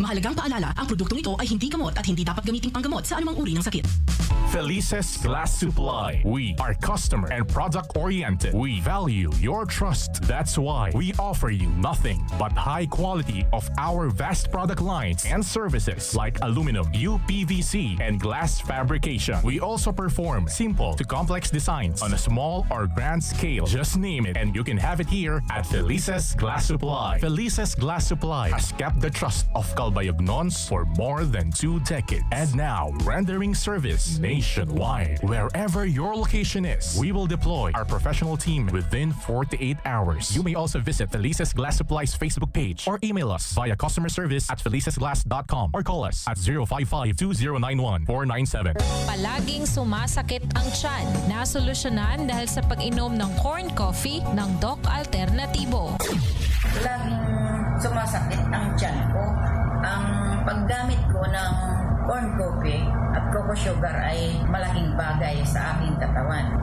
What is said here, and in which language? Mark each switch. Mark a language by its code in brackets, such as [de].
[tl] Mahalagang paalala, ang produktong ito ay hindi gamot at hindi dapat gamitin panggamot sa anumang uri ng sakit. [en] Felices Glass Supply. We are customer and product oriented. We value your trust. That's why we offer you nothing but high quality of our vast product lines and services like aluminum, UPVC, and glass fabrication. We also perform simple to complex designs on a small or grand scale. Just name it and you can have it here at Felices Glass Supply. Felices Glass Supply has kept the trust of Calbayog Nons for more than 2 decades. And now, rendering service nationwide. Wherever your location is, we will deploy our professional team within 48 hours. You may also visit Felices Glass Supply's Facebook page or email us via customer service at felicesglass.com or call us at 055-2091-497. [tl] Palaging sumasakit ang tiyan. Nasolusyonan dahil sa pag-inom ng corn coffee ng Doc Alternativo. Palaging sumasakit ang tiyan ko. Ang paggamit ko ng corn coffee at cocoa sugar ay malaking bagay sa aking katawan.